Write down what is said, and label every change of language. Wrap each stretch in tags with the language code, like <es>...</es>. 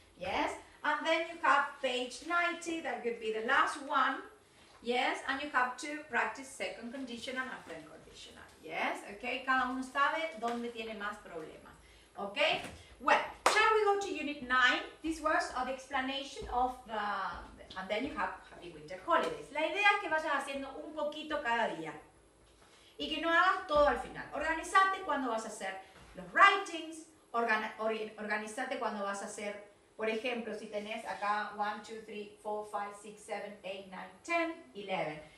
<en>Yes, and then you have page 90, that could be the last one. Yes, and you have to practice second conditional and third conditional. Yes, okay,</en> <es>cada uno sabe donde tiene más problemas.</es> <en>Okay, well, shall we go to unit 9? This was the explanation of the, and then you have happy winter holidays.</en> <es>La idea es que vayas haciendo un poquito cada día y que no hagas todo al final. Organizate cuando vas a hacer los writings, organizate cuando vas a hacer, por ejemplo, si tenés acá 1, 2, 3, 4, 5, 6, 7, 8, 9, 10, 11.</es>